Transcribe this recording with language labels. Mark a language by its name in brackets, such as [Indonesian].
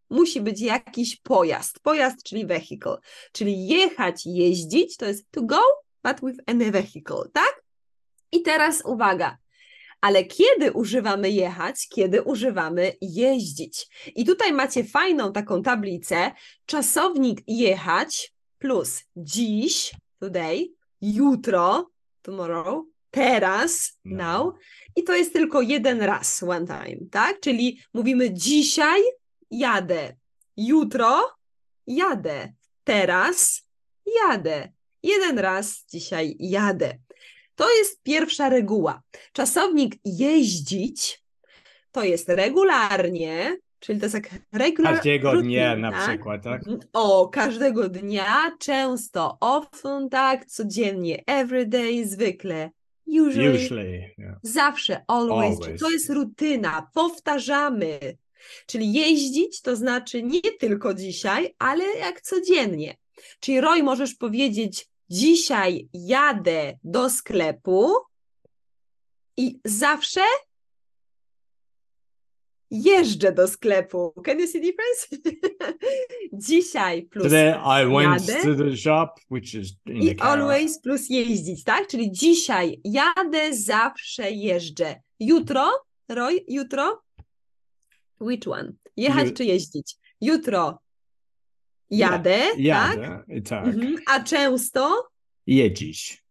[Polish] Musi być jakiś pojazd. Pojazd, czyli vehicle. Czyli jechać, jeździć, to jest [English] to go, but with any vehicle, [Polish] tak? I teraz uwaga. Ale kiedy używamy jechać, kiedy używamy jeździć? I tutaj macie fajną taką tablicę. Czasownik jechać plus dziś. Today, jutro, tomorrow, teraz, now. I to jest tylko jeden raz, one time, tak? Czyli mówimy dzisiaj jadę, jutro jadę, teraz jadę. Jeden raz dzisiaj jadę. To jest pierwsza reguła. Czasownik jeździć to jest regularnie, czyli to jest jak regular każdego routine, dnia na przykład, tak? O, każdego dnia, często, often, tak, codziennie, everyday, zwykle, usually. Zawsze, always. To jest rutyna, powtarzamy. Czyli jeździć to znaczy nie tylko dzisiaj, ale jak codziennie. Czyli Roy, możesz powiedzieć, dzisiaj jadę do sklepu i zawsze... Jeżdżę do sklepu. [English] Can you see the difference? [Polish] Dzisiaj plus [English] today I went to the shop, which is in [Polish] i always plus jeździć, tak? Czyli dzisiaj jadę, zawsze jeżdżę. Jutro, Roy, jutro? [English] Which one? [Polish] Jechać czy jeździć? Jutro jadę, jadę, tak? A często? Jeździć.